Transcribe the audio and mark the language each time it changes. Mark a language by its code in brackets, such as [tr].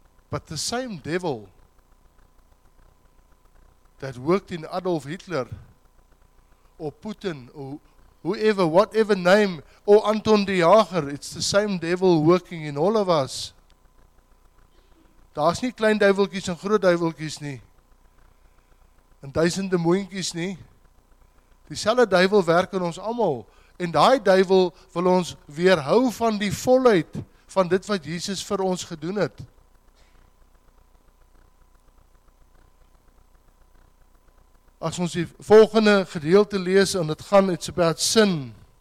[en] But the same devil that worked in Adolf Hitler or Putin or whoever, whatever name, or Anton de Jager, it's the same devil working in all of us. [af] Daar is nie klein duiveltjies en groot duiveltjies nie. En duisende moentjies nie. Dieselfde duivel werk in ons allemaal. En die duivel wil ons weerhou van die volheid van dit wat Jesus vir ons gedoen het. As ons die volgende gedeelte lees, en het gaan, [en] it's about sin.